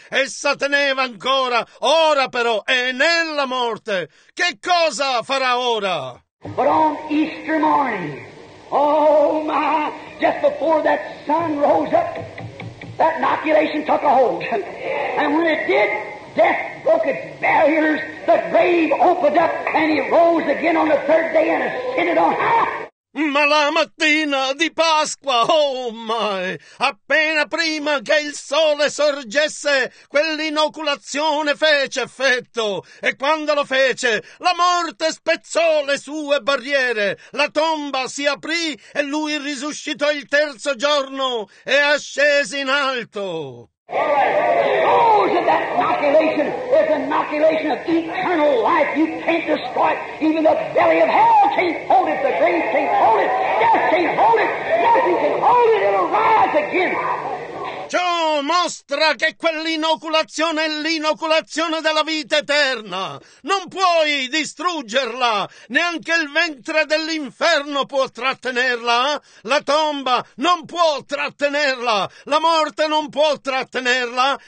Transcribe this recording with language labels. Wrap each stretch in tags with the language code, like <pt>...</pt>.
<it>Essa teneva ancora, ora però, è nella morte. Che cosa farà ora?</it> <en>But on Easter morning, oh my, just before that sun rose up, that inoculation took a hold. And when it did, death broke its barriers, the grave opened up, and he rose again on the third day and ascended on high.</en> <it>Ma la mattina di Pasqua,</it> <en>oh my,</en> <it>appena prima che il sole sorgesse, quell'inoculazione fece effetto, e quando lo fece, la morte spezzò le sue barriere, la tomba si aprì e lui risuscitò il terzo giorno e ascese in alto.</it> <en>Oh, that inoculation is an inoculation of eternal life. You can't destroy it. Even the belly of hell can't hold it. The grave can't hold it. Death can't hold it. Nothing can hold it. It'll rise again.</en> <it>Ciò mostra che quell'inoculazione è l'inoculazione della vita eterna. Non puoi distruggerla. Neanche il ventre dell'inferno può trattenerla. La tomba non può trattenerla. La morte non può trattenerla.</it>